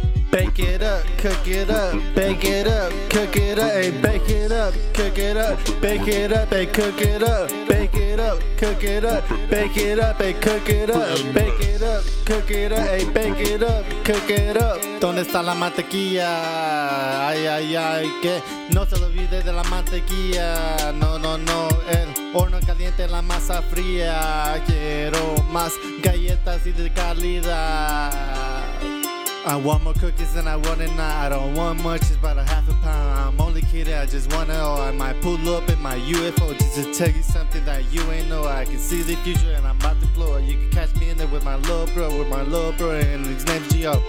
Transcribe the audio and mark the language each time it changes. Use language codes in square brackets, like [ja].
[en] Bake it up, cook it up, bake it up, cook it up, hey, bake it up, cook it up, bake it up, hey, cook it up, bake it up, cook it up, bake it up, hey, cook it up, bake it up, cook it up, hey, bake it up, cook it up. [es] ¿Dónde está la mantequilla? Ay, ay, ay, que no se lo olvide de la mantequilla. No, no, no, el horno caliente, la masa fría. Quiero más galletas y de calidad. [en] I want more cookies than I want it now. I don't want much, it's about a half a pound. I'm only kidding, I just want it all. I might pull up in my UFO just to tell you something that you ain't know. I can see the future and I'm about to blow. You can catch me in there with my little bro, with my little bro, and his name's Gio.